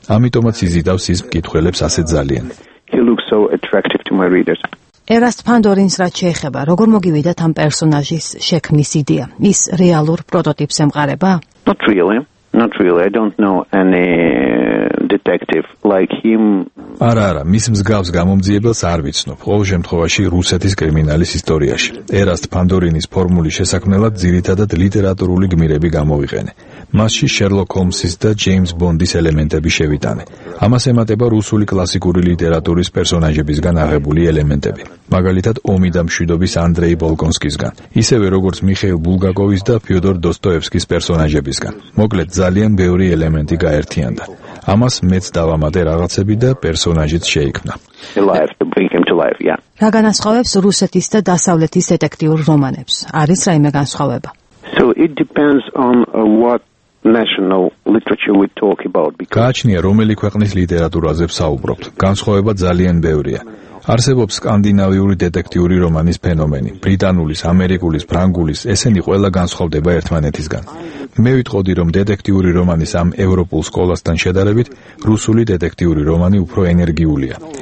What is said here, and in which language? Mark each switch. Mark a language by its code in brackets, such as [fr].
[ka] ამიტომაც იზიდავს ის მკითხველებს ასე ძალიან. ერას ფანდორინს რაც შეეხება, როგორ მოგივიდათ ამ პერსონაჟის შექმნის იდეა? ის რეალურ პროტოტიპს ემყარება? [en] Not really. I don't know any detective like him. [ka] Ара, მის მსგავს გამომძიებელს არ ვიცნობ. ყოველ შემთხვევაში რუსეთის კრიმინალის ისტორიაში. ერასტ ფანდორინის ფორმული შესაქმნელად ძირითადად ლიტერატურული გმირები გამოიყენე. მასში შერლოკ ჰომსის და ჯეიმს ბონდის ელემენტები შევიტანე. ამას ემატება რუსული კლასიკური ლიტერატურის პერსონაჟებისგან აღებული ელემენტები. მაგალითად, ომი და მშვიდობის ანდრეი ბოლკონსკისგან, ისევე როგორც მიხეილ ბულგაკოვის და ფიოდორ დოსტოევსკის პერსონაჟებისგან. მოკლედ, ძალიან ბევრი ელემენტი გაერთიანდა. ამას მეც დავამატე რაღაცები და პერსონაჟიც შეიქმნა. რა განასხვავებს რუსეთის და დასავლეთის დეტექტიურ რომანებს? არის რაიმე განსხვავება? [en] So it depends on what national literature we talk about because [ka] გაჩნია რომელი ქვეყნის ლიტერატურაზე ვსაუბრობთ. განსხვავება ძალიან ბევრია. არსებობს სკანდინავიური დეტექტიური რომანის ფენომენი. ბრიტანულის, ამერიკულის, ფრანგულის, ესენი ყველა განსხვავდება ერთმანეთისგან. მე ვიტყოდი, რომ დეტექტიური რომანის ამ ევროპულ სკოლასთან შედარებით, რუსული დეტექტიური რომანი უფრო ენერგიულია.